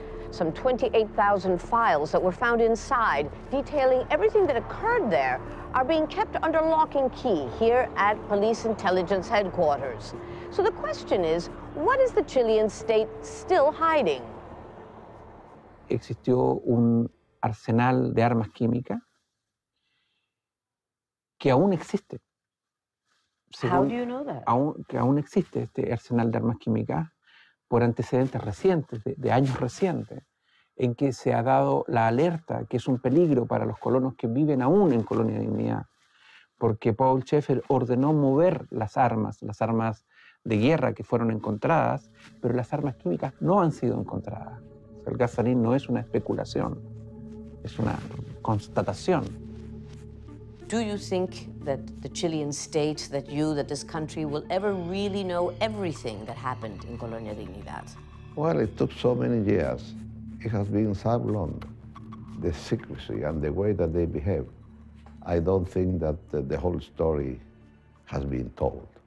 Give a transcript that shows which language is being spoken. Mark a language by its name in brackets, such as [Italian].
[English] Some 28,000 files that were found inside, detailing everything that occurred there, are being kept under lock and key here at Police Intelligence Headquarters. So the question is, what is the Chilean state still hiding? [Spanish] Existió un arsenal de armas químicas que aún existe. [English] How do you know that? [Spanish] Aún existe este arsenal de armas químicas por antecedentes recientes, de años recientes, en que se ha dado la alerta que es un peligro para los colonos que viven aún en Colonia Dignidad, porque Paul Schaefer ordenó mover las armas de guerra que fueron encontradas, pero las armas químicas no han sido encontradas. O sea, el gas sarín no es una especulación, es una constatación. [English] Do you think that the Chilean state, that you, that this country will ever really know everything that happened in Colonia Dignidad? Well, it took so many years. It has been so long, the secrecy and the way that they behave. I don't think that the whole story has been told.